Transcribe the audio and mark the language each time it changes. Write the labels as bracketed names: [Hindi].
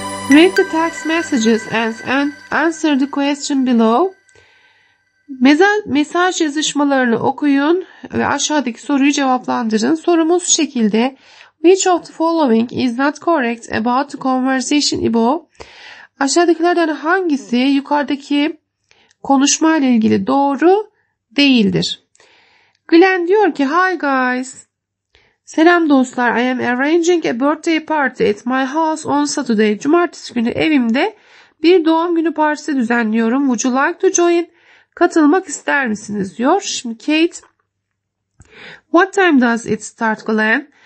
[English] Read the text messages and answer the question below. [Turkish] Mesaj yazışmalarını okuyun ve aşağıdaki soruyu cevaplandırın. Sorumuz şu şekilde. [English] Which of the following is not correct about the conversation above? [Turkish] Aşağıdakilerden hangisi yukarıdaki konuşma ile ilgili doğru değildir? Glenn diyor ki, [English] hi guys. [Turkish] Selam dostlar, [English] I am arranging a birthday party at my house on Saturday. [Turkish] Cumartesi günü evimde bir doğum günü partisi düzenliyorum. [English] Would you like to join? [Turkish] Katılmak ister misiniz diyor. Şimdi [English] Kate, what time does it start, Glenn?